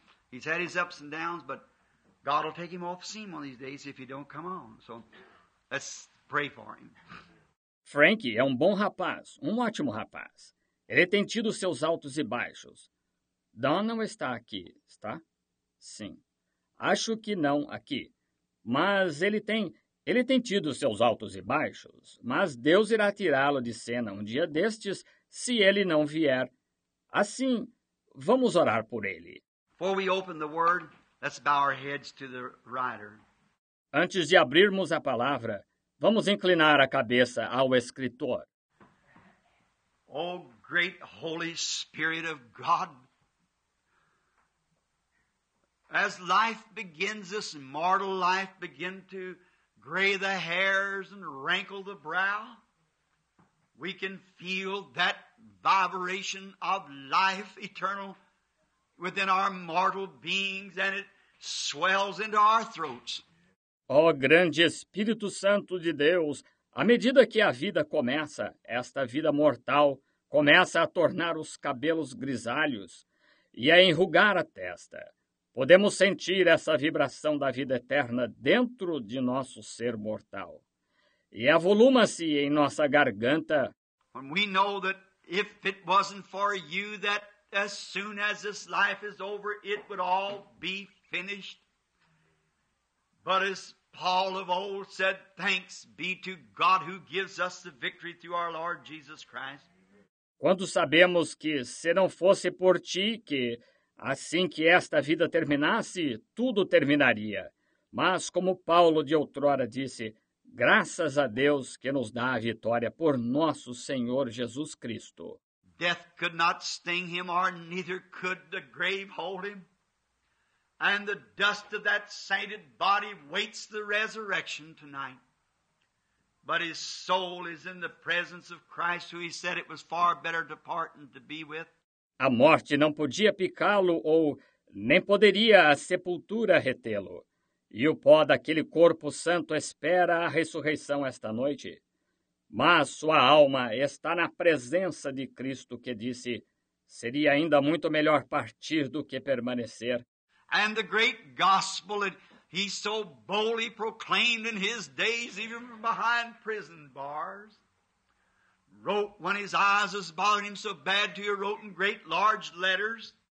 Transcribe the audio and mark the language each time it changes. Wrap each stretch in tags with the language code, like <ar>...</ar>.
<en>He's had his ups and downs, but God will take him off seam one of these days if he don't come on. So let's pray for him.</en> <pt>Frank é um bom rapaz, um ótimo rapaz. Ele tem tido seus altos e baixos. Don não está aqui, está? Sim. Acho que não aqui. Mas ele tem tido seus altos e baixos. Mas Deus irá tirá-lo de cena um dia destes, se ele não vier. Assim, vamos orar por ele.</pt> <en>Before we open the word, let's bow our heads to the writer.</en> <pt>Antes de abrirmos a palavra, vamos inclinar a cabeça ao escritor.</pt> <en>Oh, great Holy Spirit of God, as life begins, this mortal life begin to gray the hairs and wrinkle the brow, we can feel that vibration of life eternal within our mortal beings, and it swells into our throats.</en> <pt>Oh, grande Espírito Santo de Deus, à medida que a vida começa, esta vida mortal começa a tornar os cabelos grisalhos e a enrugar a testa. Podemos sentir essa vibração da vida eterna dentro de nosso ser mortal. E avoluma-se em nossa garganta.</pt> <en>When we know that if it wasn't for you, that as soon as this life is over, it would all be finished. But as Paul of old said, thanks be to God who gives us the victory through our Lord Jesus Christ.</en> <pt>Quando sabemos que, se não fosse por ti, que assim que esta vida terminasse, tudo terminaria. Mas, como Paulo de outrora disse, graças a Deus que nos dá a vitória por nosso Senhor Jesus Cristo.</pt> <en>Death could not sting him, or neither could the grave hold him. And the dust of that sainted body waits the resurrection tonight. But his soul is in the presence of Christ, who he said it was far better to part and to be with.</en> <pt>A morte não podia picá-lo, ou nem poderia a sepultura retê-lo. E o pó daquele corpo santo espera a ressurreição esta noite. Mas sua alma está na presença de Cristo, que disse, seria ainda muito melhor partir do que permanecer.</pt> <en>And the great gospel that he so boldly proclaimed in his days, even behind prison bars, wrote when his eyes was bothering him so bad to you, wrote in great large letters.</en>